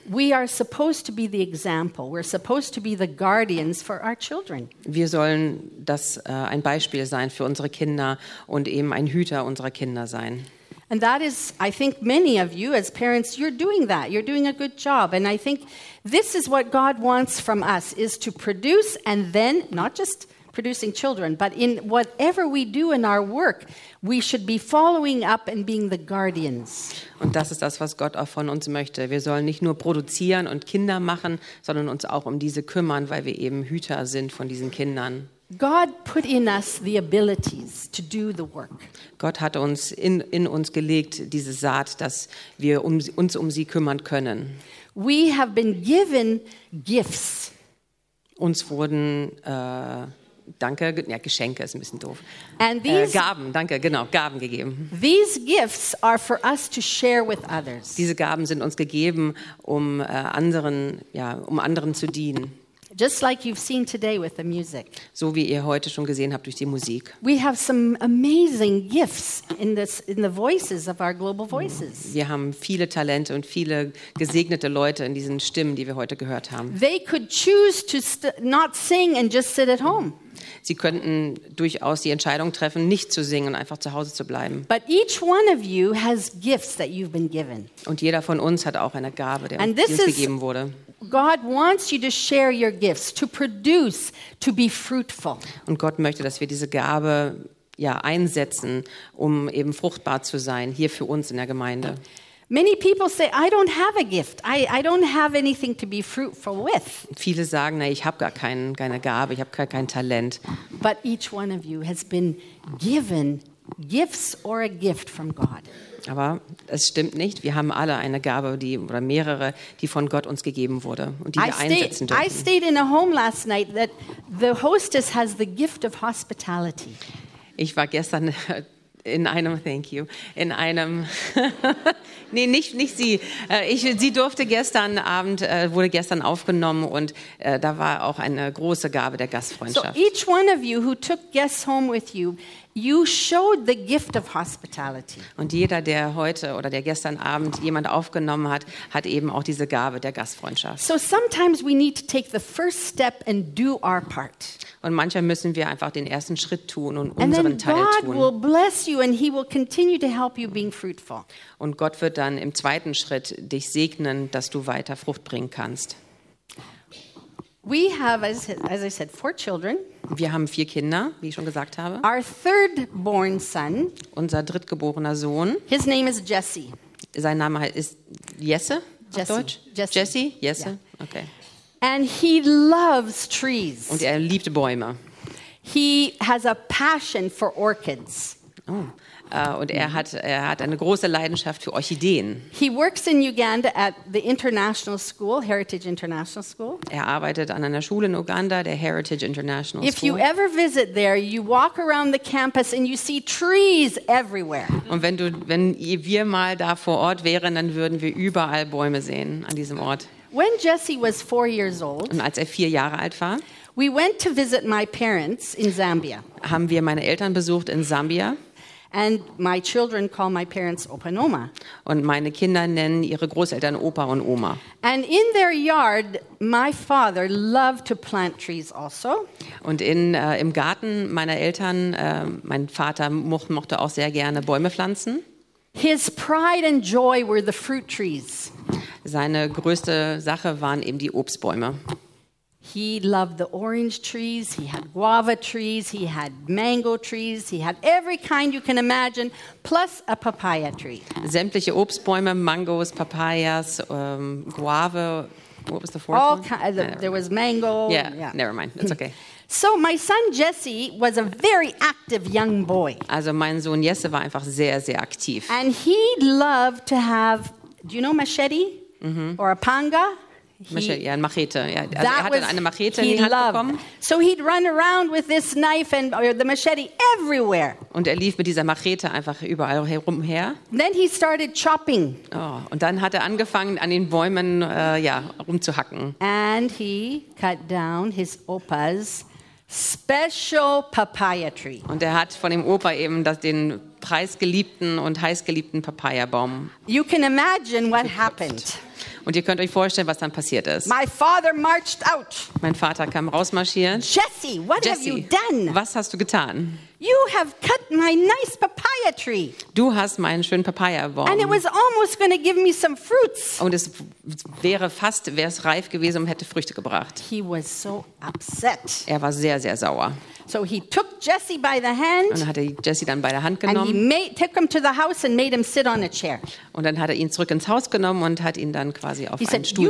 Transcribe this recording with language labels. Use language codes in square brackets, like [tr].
[en] We are supposed to be the example. We're supposed to be the guardians for our children. [de] Wir sollen das ein Beispiel sein für unsere Kinder und eben ein Hüter unserer Kinder sein. [en] And that is, I think, many of you as parents, you're doing that. You're doing a good job. And I think this is what God wants from us, is to produce and then not just producing children, but in whatever we do in our work, we should be following up and being the guardians. [de] Und das ist das, was Gott auch von uns möchte. Wir sollen nicht nur produzieren und Kinder machen, sondern uns auch um diese kümmern, weil wir eben Hüter sind von diesen Kindern. [en] God put in us the abilities to do the work. [de] Gott hat uns in uns gelegt diese Saat, dass wir uns um sie kümmern können. [en] We have been given gifts. [de] Uns wurden Geschenke ist ein bisschen doof. [en] And these, [de] Gaben gegeben. [en] These gifts are for us to share with others. [de] Diese Gaben sind uns gegeben, um anderen zu dienen. [en] Just like you've seen today with the music. [de] So wie ihr heute schon gesehen habt durch die Musik. [en] We have some amazing gifts in the voices of our global voices. [de] Wir haben viele Talente und viele gesegnete Leute in diesen Stimmen, die wir heute gehört haben. [en] They could choose to not sing and just sit at home. [de] Sie könnten durchaus die Entscheidung treffen, nicht zu singen und einfach zu Hause zu bleiben. [en] But each one of you has gifts that you've been given. [de] Und jeder von uns hat auch eine Gabe, die uns gegeben wurde. [en] God wants you to share your gifts, to produce, to be fruitful. [de] Und Gott möchte, dass wir diese Gabe einsetzen, um eben fruchtbar zu sein hier für uns in der Gemeinde. [en] Many people say, I don't have a gift. I don't have anything to be fruitful with. [de] Viele sagen, ich habe gar keine Gabe, ich habe gar kein Talent. [en] But each one of you has been given gifts or a gift from God. [de] Aber es stimmt nicht. Wir haben alle eine Gabe, oder mehrere, die von Gott uns gegeben wurde und die wir einsetzen dürfen. [en] I stayed in a home last night that the hostess has the gift of hospitality. [de] Ich war gestern sie durfte gestern Abend, wurde gestern aufgenommen und da war auch eine große Gabe der Gastfreundschaft. [en] So each one of you who took guests home with you, you showed the gift of hospitality. [de] Und jeder, der heute oder der gestern Abend jemand aufgenommen hat, hat eben auch diese Gabe der Gastfreundschaft. [en] So sometimes we need to take the first step and do our part. [de] Und manchmal müssen wir einfach den ersten Schritt tun und unseren [en] and then [de] Teil tun. [en] God will bless you and he will continue to help you being fruitful. [de] Und Gott wird dann im zweiten Schritt dich segnen, dass du weiter Frucht bringen kannst. [en] We have, as I said, 4 children. [de] Wir haben 4 Kinder, wie ich schon gesagt habe. [en] Our third born son. [de] Unser drittgeborener Sohn. [en] His name is Jesse. [de] Sein Name ist Jesse. Jesse. Auf Deutsch. Jesse. [en] Jesse. Yeah. Okay. And he loves trees. [de] Und er liebt Bäume. [en] He has a passion for orchids. Oh. [de] Und er hat eine große Leidenschaft für Orchideen. [en] He works in Uganda at the International School, Heritage International School. [de] Er arbeitet an einer Schule in Uganda, der Heritage International School. [en] If you ever visit there, you walk around the campus and you see trees everywhere. [de] Und wenn wir mal da vor Ort wären, dann würden wir überall Bäume sehen an diesem Ort. [en] When Jesse was 4 years old. [de] Und als er 4 Jahre alt war. [en] We went to visit my parents in Zambia. [de] Haben wir meine Eltern besucht in Sambia. [en] And my children call my parents Opa and Oma. [de] Und meine Kinder nennen ihre Großeltern Opa und Oma. [en] And in their yard, my father loved to plant trees also. [de] Und im Garten meiner Eltern, mein Vater mochte auch sehr gerne Bäume pflanzen. [en] His pride and joy were the fruit trees. [de] Seine größte Sache waren eben die Obstbäume. [en] He loved the orange trees, he had guava trees, he had mango trees, he had every kind you can imagine, plus a papaya tree. [de] Sämtliche Obstbäume, Mangos, Papayas, Guave, [en] what was the fourth all one? There was mango. Yeah, never mind, it's okay. So my son Jesse was a very active young boy. [de] Also mein Sohn Jesse war einfach sehr, sehr aktiv. [en] And he loved to have, do you know machete? Mm-hmm. Or a panga? [de] Machete. Also er hatte eine Machete in die Hand bekommen. [en] So he'd run around with this knife and or the machete everywhere. [de] Und er lief mit dieser Machete einfach überall herumher. [en] Then he started chopping. [de] Oh, und dann hat er angefangen an den Bäumen rumzuhacken. [en] And he cut down his Opa's special papaya tree. [de] Und er hat von dem Opa eben den preisgeliebten und heißgeliebten Papayabaum. [en] You can imagine what happened. [de] Und ihr könnt euch vorstellen, was dann passiert ist. [en] My father marched out. [de] Mein Vater kam rausmarschieren. [en] Jesse, what Jesse, have you done? [de] Was hast du getan? [en] You have cut my nice papaya tree. [de] Du hast meinen schönen Papaya erworben. [en] And it was almost going to give me some fruits. [de] Und es wäre fast, wäre es reif gewesen und hätte Früchte gebracht. [en] He was so upset. [de] Er war sehr, sehr sauer. [en] So he took Jesse by the hand. [de] Und hat er Jesse dann bei der Hand genommen. [en] And he took him to the house and made him sit on a chair. [de] Und dann hat er ihn zurück ins Haus genommen und hat ihn dann quasi auf einen Stuhl